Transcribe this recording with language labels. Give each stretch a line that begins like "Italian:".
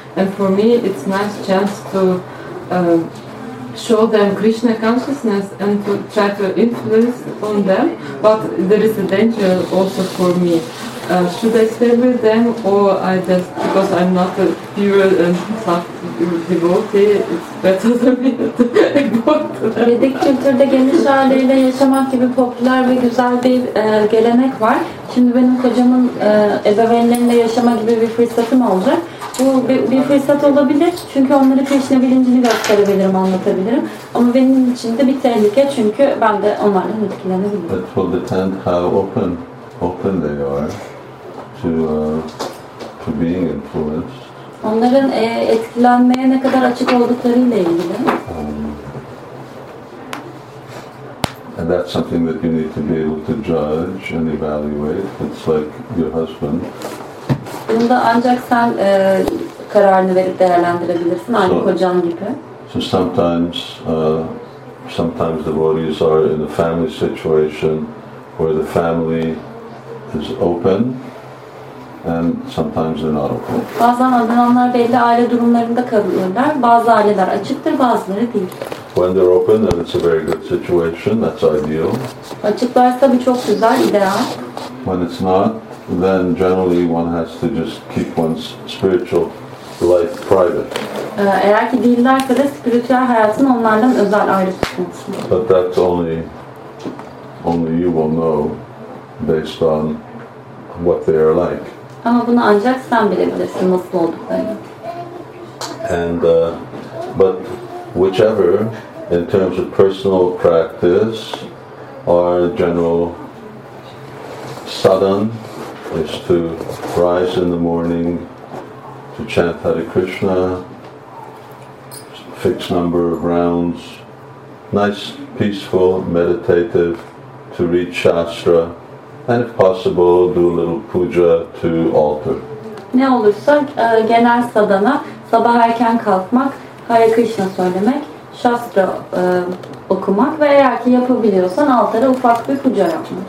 English: And for me, it's a nice chance to show them Krishna consciousness and to try to influence on them. But there is a danger also for me. Should I stay with them, or I just, because I'm not a pure and soft devotee, it's better than me to go to them.
Turkish: Vedik kültürde geniş aileyle yaşamak gibi popüler ve güzel bir gelenek var. Şimdi benim kocamın ebeveynlerinde yaşama gibi bir fırsatım olacak. Bu bir fırsat olabilir, çünkü onları Krishna bilincini gösterebilirim, anlatabilirim. Ama benim için de bir tehlike, çünkü ben de onlardan etkilenebilirim.
English: But for the tent, how open they are to being influenced.
Turkish: Onların etkilenmeye ne kadar açık olduklarıyla ilgili.
English: And that's something that you need to be able to judge and evaluate. It's like your husband.
Turkish: Bunda ancak sen kararını verip değerlendirebilirsin, aynı kocan gibi.
English: So sometimes the devotees are in a family situation where the family is open, and sometimes they're not open.
Turkish: Bazen adananlar belli aile durumlarında kalırlar. Bazı aileler açıktır, bazıları değil.
English: When they're open, then it's a very good situation. That's ideal.
Turkish: Açıklarsa bu çok güzel, ideal.
English: When it's not, then generally one has to just keep one's spiritual life private.
Turkish: Eğer ki değillerse de spiritüel hayatını onlardan özel ayrı tutmalısın.
English: But that's only you will know based on what they are like.
Turkish: Ama bunu ancak sen bilebilirsin nasıl olduklarını.
English: And but whichever in terms of personal practice or general sadhan is to rise in the morning to chant Hare Krishna, fixed number of rounds, nice, peaceful, meditative, to read shastra, and if possible, do a little puja to altar.
Turkish: Ne olursa genel sadhana, sabah erken kalkmak, Hare Krishna söylemek, şastra okumak ve eğer ki yapabiliyorsan altara ufak bir puja yapmak.